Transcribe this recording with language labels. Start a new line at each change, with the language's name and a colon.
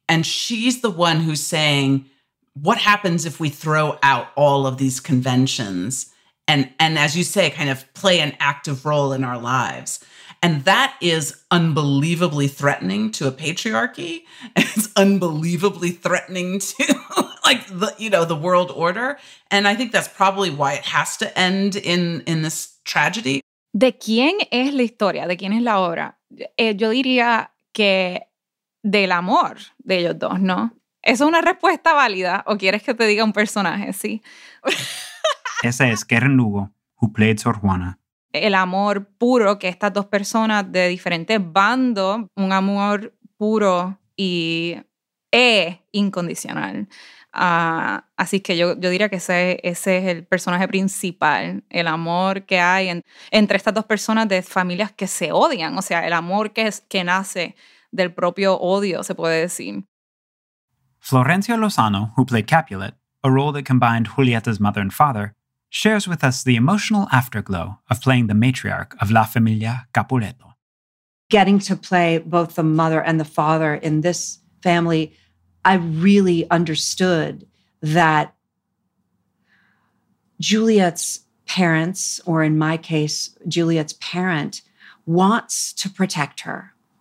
English: And she's the one who's saying, what happens if we throw out all of these conventions and as you say, kind of play an active role in our lives? And that is unbelievably threatening to a patriarchy. It's unbelievably threatening to, like, the, you know, the world order. And I think that's probably why it has to end in this tragedy.
Spanish: ¿De quién es la historia? ¿De quién es la obra? Yo diría que del amor de ellos dos, ¿no? ¿Es una respuesta válida o quieres que te diga un personaje, sí? Esa es
English: Karen Lugo, who played Sor Juana.
Spanish: El amor puro que estas dos personas de diferentes bandos, un amor puro y incondicional. Así que yo diría que ese es el personaje principal, el amor que hay entre estas dos personas de familias que se odian. O sea, el amor que nace del propio odio, se puede decir.
English: Florencio Lozano, who played Capulet, a role that combined Julieta's mother and father, shares with us the emotional afterglow of playing the matriarch of La Familia Capuleto. Getting to play both the mother and the father in this family, I really understood that Juliet's parents, or in my case, Juliet's parent, wants to protect her.